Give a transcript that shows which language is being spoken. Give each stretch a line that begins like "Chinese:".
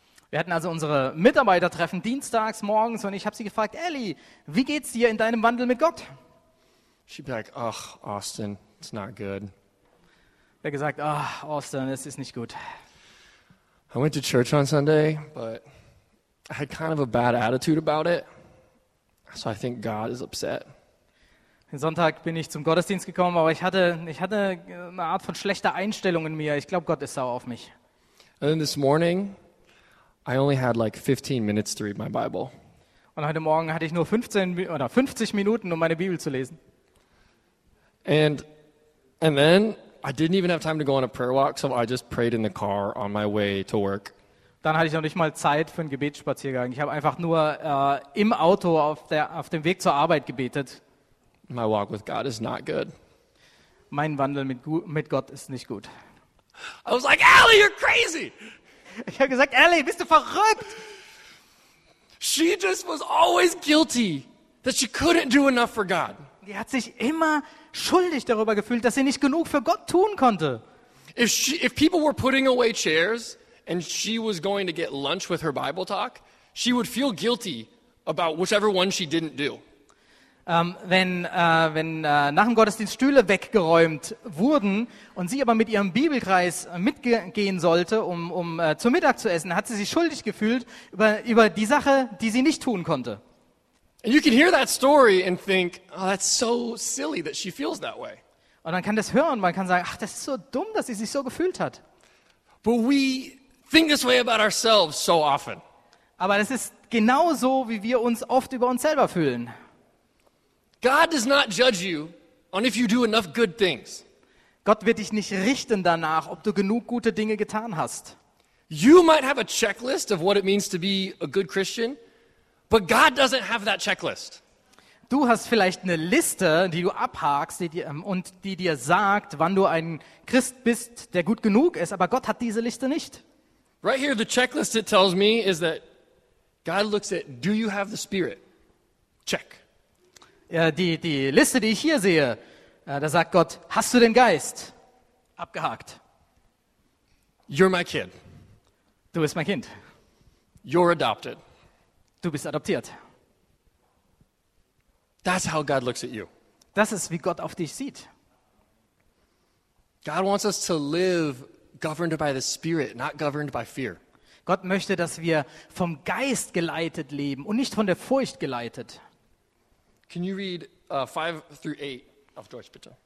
German: Wir hatten also unsere Mitarbeitertreffen dienstags morgens und ich habe sie gefragt, "Ali, wie geht's dir in deinem Wandel mit Gott?"
English: She'd be like, "Ugh, Austin, it's not good."
German: Er gesagt, "Ah, Austin, es ist nicht gut."
English: I went to church on Sunday, but I had kind of a bad attitude about it. So I think God is upset.
German: Am Sonntag bin ich zum Gottesdienst gekommen, aber ich hatte eine Art von schlechter Einstellung in mir. Ich glaube, Gott ist sauer auf mich.
English: And then this morning, I only had like 15 minutes to read my Bible.
German: Und heute Morgen hatte ich nur 50 Minuten, um meine Bibel zu lesen.
English: And then I didn't even have time to go on a prayer walk, so I just prayed in the car on my way to work.
German: Dann hatte ich noch nicht mal Zeit für einen Gebetsspaziergang. Ich habe einfach nur im Auto auf dem Weg zur Arbeit gebetet.
English: My walk with God is not good.
German: Mein Wandel mit Gott ist nicht gut.
English: I was like, "Ali, you're crazy."
German: Ich habe gesagt, "Ali, bist du verrückt?"
English: She just was always guilty that she couldn't do enough for God.
German: Die hat sich immer schuldig darüber gefühlt, dass sie nicht genug für Gott tun konnte.
English: If people were putting away chairs and she was going to get lunch with her Bible talk, she would feel guilty about whichever one she didn't do.
German: Wenn nach dem Gottesdienst Stühle weggeräumt wurden und sie aber mit ihrem Bibelkreis mitgehen sollte, um zu Mittag zu essen, hat sie sich schuldig gefühlt über die Sache, die sie nicht tun konnte.
English: And you can hear that story and think, "Oh, that's so silly that she feels that way."
German: Und man kann das hören, man kann sagen, ach, das ist so dumm, dass sie sich so gefühlt hat.
English: But we think this way about ourselves so often.
German: Aber das ist genauso, wie wir uns oft über uns selber fühlen.
English: God does not judge you on if you do enough good things.
German: Gott wird dich nicht richten danach, ob du genug gute Dinge getan hast.
English: You might have a checklist of what it means to be a good Christian, but God doesn't have that checklist.
German: Du hast vielleicht eine Liste, die du abhakst, und die dir sagt, wann du ein Christ bist, der gut genug ist, aber Gott hat diese Liste nicht.
English: Right here the checklist it tells me is that God looks at, "Do you have the Spirit?" Check.
German: Die Liste, die ich hier sehe, da sagt Gott, "Hast du den Geist?" Abgehakt.
English: You're my kid.
German: Du bist mein Kind.
English: You're adopted.
German: Du bist adoptiert.
English: That's how God looks at you.
German: Das ist, wie Gott auf dich sieht.
English: God wants us to live governed by the Spirit, not governed by fear.
German: Gott möchte, dass wir vom Geist geleitet leben und nicht von der Furcht geleitet.
English: Can you read 5-8
German: auf Deutsch, bitte?